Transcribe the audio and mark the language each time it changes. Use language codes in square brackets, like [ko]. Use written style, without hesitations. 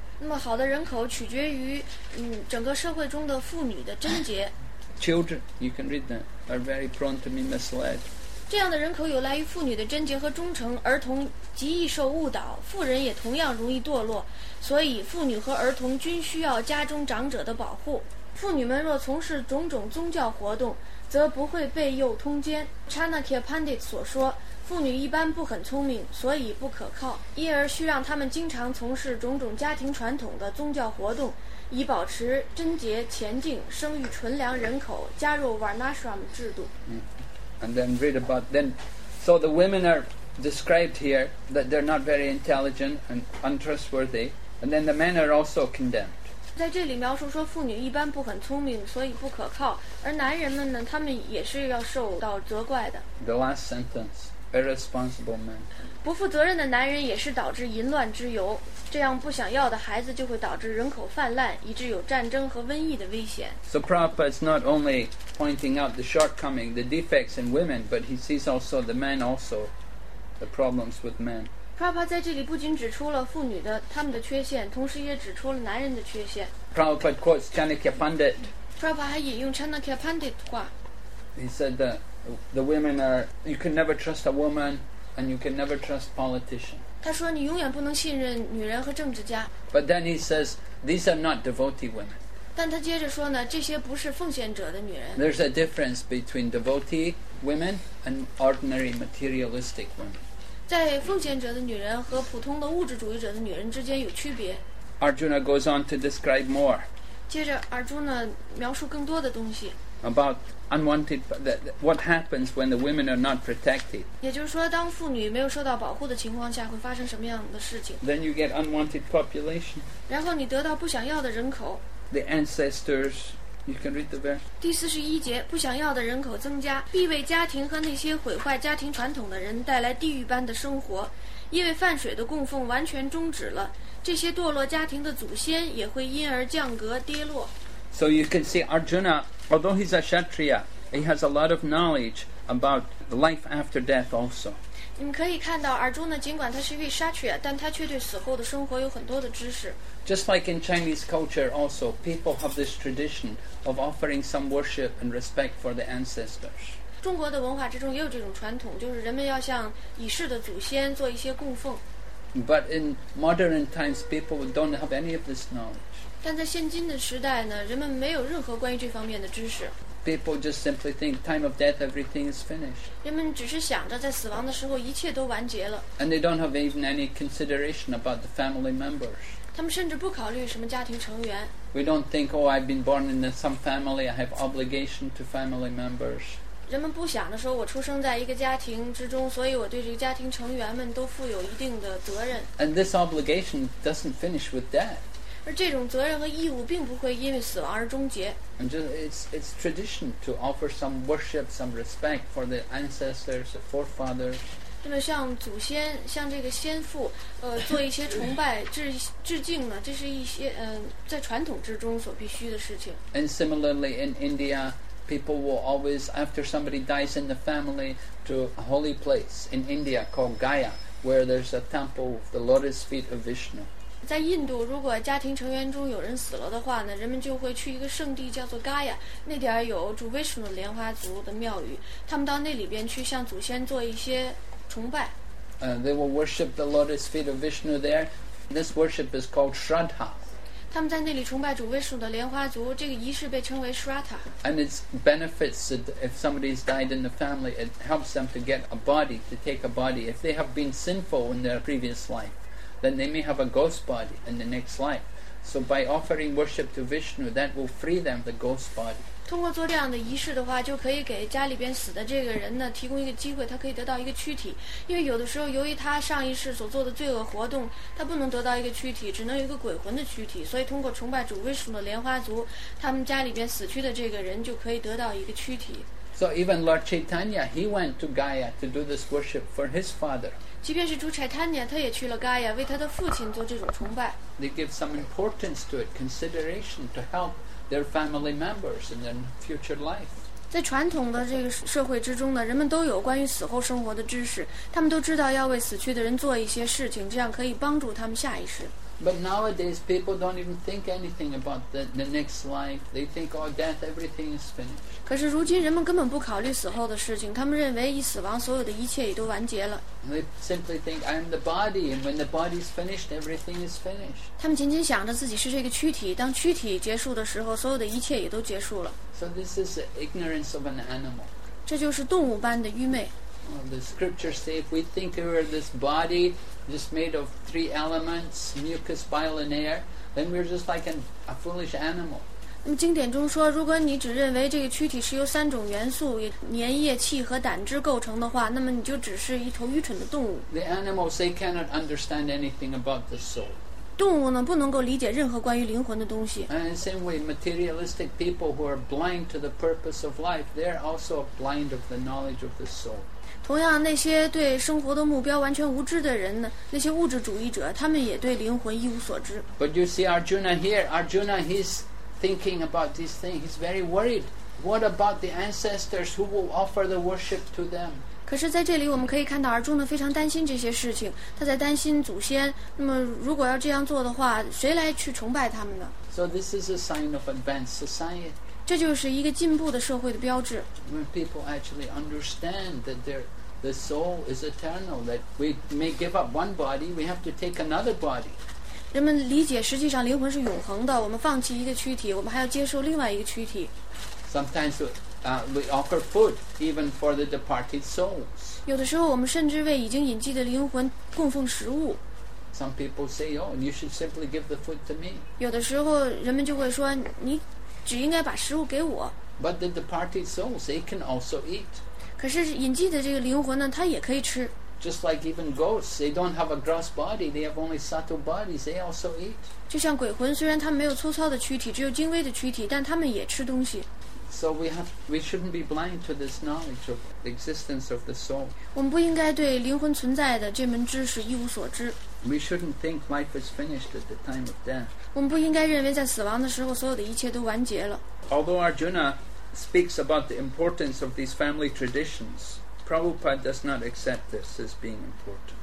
[zh] 那么好的人口取决于整个社会中的妇女的贞洁。 [en] Children, you can read that, are very prone to be misled. [zh] 这样的人口有赖于妇女的贞洁和忠诚，儿童极易受误导，妇人也同样容易堕落，所以妇女和儿童均需要家中长者的保护。妇女们若从事种种宗教活动，则不会被诱通奸。 Chanakya Pandit 所说，妇女一般不很聪明，所以不可靠，因而需让她们经常从事种种家庭传统的宗教活动，以保持贞洁前进，生育纯良人口，加入 Varnashram 制度。 [en] And then read about then. So the women are described here that they're not very intelligent and untrustworthy, and then the men are also condemned. [zh] 在这里描述说妇女一般不很聪明，所以不可靠，而男人们呢，他们也是要受到责怪的。 [en] The last sentence, irresponsible men. [zh] 不负责任的男人也是导致淫乱之由，这样不想要的孩子就会导致人口泛滥，以致有战争和瘟疫的危险。 [en] So Prabhupada is not only pointing out the shortcoming, the defects in women, but he sees also the men also, the problems with men. [zh] Prabhupada 在这里不仅指出了妇女的他们的缺陷，同时也指出了男人的缺陷。 [en] Prabhupada quotes Chanakya Pandit. [zh] Prabhupada 还引用 Chanakya Pandit 的话。 [en] He said that the women are, you can never trust a woman and you can never trust politician. [zh] 他说你永远不能信任女人和政治家。 [en] But then he says, these are not devotee women. [zh] 但他接着说呢，这些不是奉献者的女人。 [en] There's a difference between devotee women and ordinary materialistic women. [zh] 在奉献者的女人和普通的物质主义者的女人之间有区别。 [en] Arjuna goes on to describe more. [zh] 接着 Arjuna 描述更多的东西。 [en] About unwanted, what happens when the women are not protected. [zh] 也就是说当妇女没有受到保护的情况下会发生什么样的事情。 [en] Then you get unwanted population. [zh] 然后你得到不想要的人口。 [en] The ancestors... You can read the verse. [zh] 第四十一节，不想要的人口增加，必为家庭和那些毁坏家庭传统的人带来地狱般的生活，因为饭水的供奉完全终止了，这些堕落家庭的祖先也会因而降格跌落。 [en] So you can see Arjuna, although he's a Kshatriya, he has a lot of knowledge about life after death also. [zh] 你们可以看到 Arjuna 尽管他是一位 Kshatriya, 但他却对死后的生活有很多的知识。 [en] Just like in Chinese culture also, people have this tradition of offering some worship and respect for the ancestors. [zh] 中国的文化之中也有这种传统，就是人们要向已逝的祖先做一些供奉。 [en] But in modern times, people don't have any of this knowledge. [zh] 但在现今的时代呢，人们没有任何关于这方面的知识。 [en] People just simply think time of death, everything is finished. [zh] 人们只是想着在死亡的时候一切都完结了。 [en] And they don't have even any consideration about the family members. [zh] 他们甚至不考虑什么家庭成员。 [en] We don't think, oh, I've been born in some family, I have obligation to family members. [zh] 人们不想的时候，我出生在一个家庭之中，所以我对这个家庭成员们都负有一定的责任。 [en] And this obligation doesn't finish with death. [zh] 而这种责任和义务并不会因为死亡而终结。 [en] And just, it's tradition to offer some worship, some respect for the ancestors, the forefathers. [zh] 那么像祖先像这个先父做一些崇拜致敬呢，这是一些在传统之中所必须的事情。 [en] And similarly in India, people will always after somebody dies in the family to a holy place in India called Gaya where there's a temple of the lotus feet of Vishnu. [zh] 在印度如果家庭成员中有人死了的话呢，人们就会去一个圣地叫做 Gaya, 那点有主 Vishnu 莲花族的庙宇，他们到那里边去向祖先做一些崇拜。 [en] They will worship the lotus feet of Vishnu there. This worship is called Shraddha. [zh] 他们在那里崇拜主威士的莲花族，这个仪式被称为 Shraddha. [en] And its benefits, if somebody has died in the family, it helps them to get a body, to take a body. If they have been sinful in their previous life, then they may have a ghost body in the next life. So by offering worship to Vishnu, that will free them the ghost body. [zh] 通过做这样的仪式的话，就可以给家里边死的这个人呢提供一个机会，他可以得到一个躯体。因为有的时候由于他上一世所做的罪恶活动，他不能得到一个躯体，只能有一个鬼魂的躯体，所以通过崇拜主威士的莲花族，他们家里边死去的这个人就可以得到一个躯体。 [en] So even Lord Chaitanya, he went to Gaya to do this worship for his father. [zh] 即便是朱柴坦尼亚，他也去了嘎亚，为他的父亲做这种崇拜。 [en] They give some importance to it, consideration to help their family members in their future life. [zh] 在传统的这个社会之中呢，人们都有关于死后生活的知识，他们都知道要为死去的人做一些事情，这样可以帮助他们下一世。 [en] But nowadays, people don't even think anything about the next life. They think, oh, death, everything is finished. [zh] 可是如今人们根本不考虑死后的事情，他们认为一死亡，所有的一切也都完结了。 [en] They simply think, I am the body, and when the body is finished, everything is finished. [zh] 他们仅仅想着自己是这个躯体，当躯体结束的时候，所有的一切也都结束了。 [en] So this is the ignorance of an animal. [zh] 这就是动物般的愚昧。 [en] Well, the scriptures say, if we think we are this body, just made of three elements, mucus, bile, and air, then we're just like a foolish animal. [zh] 那么经典中说，如果你只认为这个躯体是由三种元素，粘液、气和胆汁构成的话，那么你就只是一头愚蠢的动物。 [en] The animals, they cannot understand anything about the soul. [zh] 动物呢，不能够理解任何关于灵魂的东西。 [en] And same way, materialistic people who are blind to the purpose of life, they're also blind of the knowledge of the soul. [zh] 同样，那些对生活的目标完全无知的人呢？那些物质主义者，他们也对灵魂一无所知。 [en] But you see Arjuna here. Arjuna, he's thinking about this thing. He's very worried. What about the ancestors who will offer the worship to them? [zh] 可是在这里，我们可以看到 Arjuna 非常担心这些事情。他在担心祖先。那么，如果要这样做的话，谁来去崇拜他们呢 [en] ？So this is a sign of advanced society. [zh] 这就是一个进步的社会的标志。 [en] When people actually understand that the soul is eternal, that we may give up one body, we have to take another body. [zh] 人们理解实际上灵魂是永恒的，我们放弃一个躯体，我们还要接受另外一个躯体。 [en] Sometimes we offer food even for the departed souls. [zh] 有的时候我们甚至为已经隐迹的灵魂供奉食物。 [en] Some people say, "Oh, you should simply give the food to me." [zh] 有的时候人们就会说你。只应该把食物给我。 [en] But the departed souls, they can also eat. [zh] 可是隐迹的这个灵魂呢，它也可以吃。 [en] Just like even ghosts, they don't have a gross body, they have only subtle bodies, they also eat. [zh] 就像鬼魂，虽然他们没有粗糙的躯体，只有精微的躯体，但他们也吃东西。 [en] So we shouldn't be blind to this knowledge of the existence of the soul. [zh] 我们不应该对灵魂存在的这门知识一无所知。 [en] We shouldn't think life is finished at the time of death. [zh] 我们不应该认为在死亡的时候所有的一切都完结了。 [en] Although Arjuna speaks about the importance of these family traditions, Prabhupada does not accept this as being important.